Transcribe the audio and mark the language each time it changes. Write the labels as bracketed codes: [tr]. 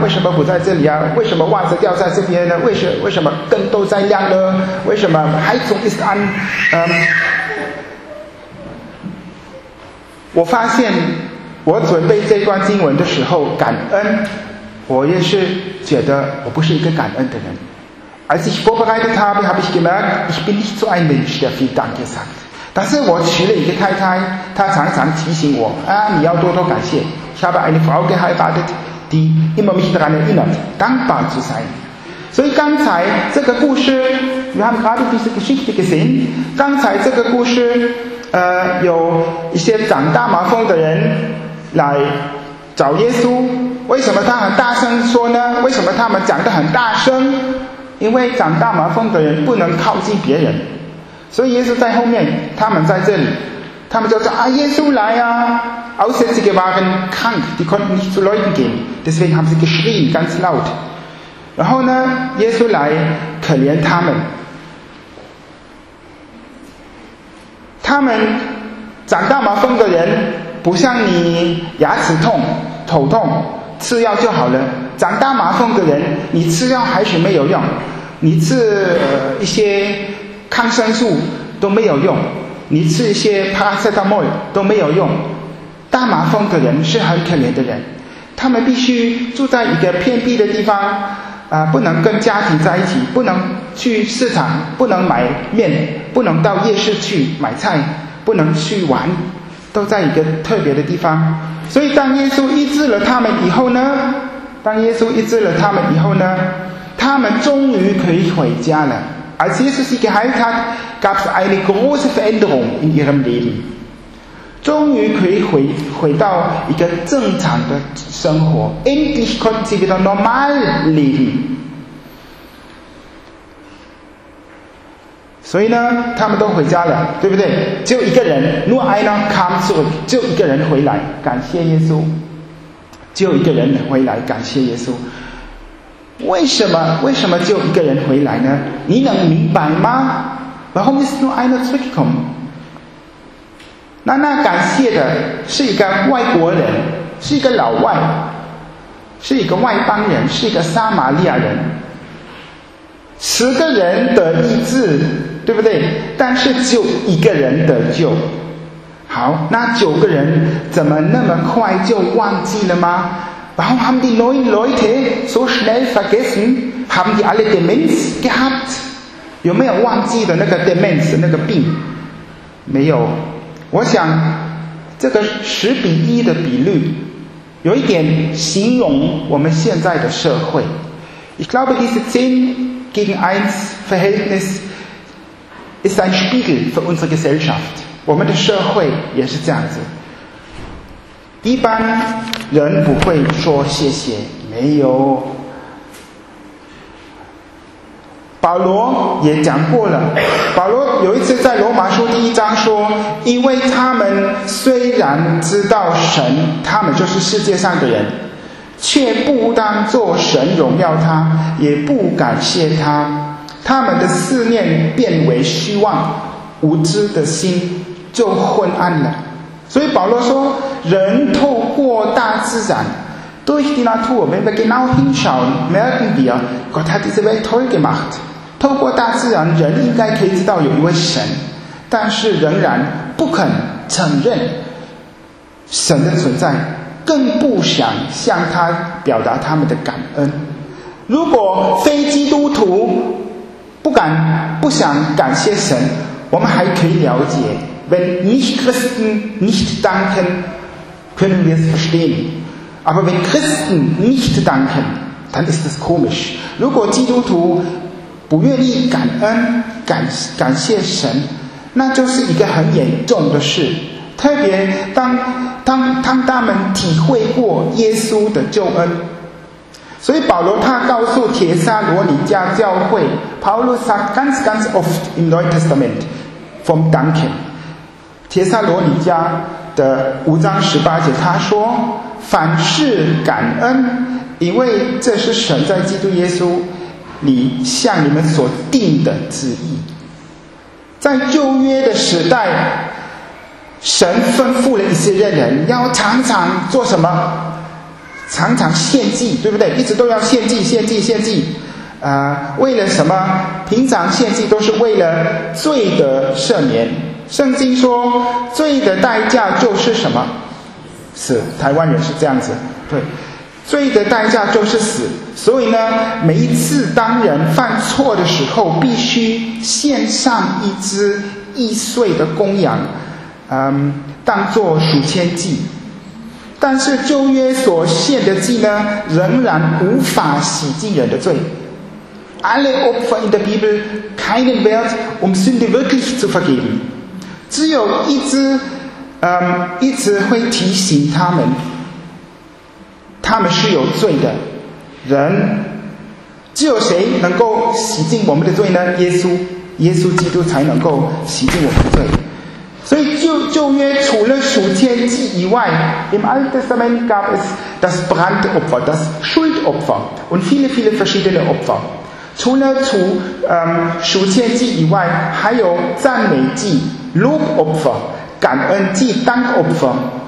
[zh] 为什么不在这里啊？为什么袜子掉在这边呢？为什么灯都在亮呢？为什么还总是安？我发现我准备这段经文的时候，感恩，我也是觉得我不是一个感恩的人， [de] Als ich vorbereitet habe, habe ich gemerkt, ich bin nicht so ein Mensch, der viel Danke sagt. [zh] 但是我娶了一个太太，她常常提醒我啊，你要多多感谢。 [de] Ich habe eine Frau geheiratet, die immer mich daran erinnert, dankbar zu sein. [zh] 所以刚才这个故事 [de] ，wir haben gerade diese Geschichte gesehen. [zh] 刚才这个故事，有一些长大麻风的人来找耶稣。为什么他很大声说呢？为什么他们讲得很大声？因为长大麻风的人不能靠近别人。所以耶稣在后面，他们在这里，他们就说啊，耶稣来啊！ [de] Aussätzige waren krank, die konnten nicht zu Leuten gehen, deswegen haben sie geschrien ganz laut. [zh] 然后呢，耶稣来可怜他们，他们长大麻风的人不像你牙齿痛、头痛，吃药就好了。长大麻风的人，你吃药还是没有用，你吃一些。抗生素都没有用，你吃一些 paracetamol 都没有用。大麻风的人是很可怜的人，他们必须住在一个偏僻的地方，不能跟家庭在一起，不能去市场，不能买面，不能到夜市去买菜，不能去玩，都在一个特别的地方。所以当耶稣医治了他们以后呢，当耶稣医治了他们以后呢，他们终于可以回家了。 [de] Als Jesus sie geheilt hat, gab es eine große Veränderung in ihrem Leben. [zh] 终于可以 回到一个正常的生活。 [de] Endlich konnten sie wieder normal leben. [zh] 所以呢，他们都回家了，对不对？就一个人， [de] nur einer kam zurück. [zh] 就一个人回来，感谢耶稣。就一个人回来，感谢耶稣。为什么就一个人回来呢？你能明白吗？ [de] Warum ist nur einer zurückgekommen？ [zh] 那感谢的是一个外国人，是一个老外，是一个外邦人，是一个撒玛利亚人。十个人得医治，对不对？但是就一个人得救。好，那九个人怎么那么快就忘记了吗？ [de] Warum haben die neuen Leute so schnell vergessen? Haben die alle Demenz gehabt? [zh] 有没有忘记的那个 Demenz 那个病？没有。我想这个十比一的比率有一点形容我们现在的社会。 [de] Ich glaube, diese 10 gegen 1 Verhältnis ist ein Spiegel für unsere Gesellschaft. [zh] 我们的社会也是这样子。一般人不会说谢谢，没有。保罗也讲过了，保罗有一次在罗马书第一章说，因为他们虽然知道神，他们就是世界上的人，却不当作神荣耀他，也不感谢他，他们的思念变为虚妄，无知的心就昏暗了。所以保罗说，人透过大自然 [de] ，durch die Natur, wenn wir genau hinschauen, merken wir, Gott hat diese Welt toll gemacht. [zh] 透过大自然，人应该可以知道有一位神，但是仍然不肯承认神的存在，更不想向他表达他们的感恩。如果非基督徒不想感谢神，我们还可以了解。 [de] Wenn Nicht-Christen nicht danken, können wir es verstehen. Aber wenn Christen nicht danken, dann ist das komisch. [zh] 如果基督徒不愿意感恩 感谢神，那就是一个很严重的事。特别当他们体会过耶稣的救恩。所以保罗他告诉帖撒罗尼迦教会， [de] Paulus sagt ganz, ganz oft im Neuen Testament vom Danken. [zh] 帖撒罗尼迦的五章十八节，他说：“凡事感恩，因为这是神在基督耶稣里向你们所定的旨意。” 在旧约的时代，神吩咐了一些人要常常做什么？常常献祭，对不对？一直都要献祭，献祭，献祭。为了什么？平常献祭都是为了罪的赦免。圣经说罪的代价就是什么？是台湾人是这样子，对，罪的代价就是死，所以呢，每一次当人犯错的时候，必须献上一只一岁的公羊，当作赎愆祭。但是旧约所献的祭呢，仍然无法洗净人的罪。 [de] Alle Opfer in der Bibel keinen Wert, Sünde wirklich zu vergeben. [zh] 只有一只，一直会提醒他们，他们是有罪的人。只有谁能够洗净我们的罪呢？耶稣基督才能够洗净我们的罪。所以旧约除了赎愆祭以外 [de] ，im Alten Testament gab es das Brandopfer, das Schuldopfer und viele, viele verschiedene Opfer。 [zh] 除了赎愆祭以外，还有赞美祭 （Lobopfer）、感恩祭 （Dankopfer）。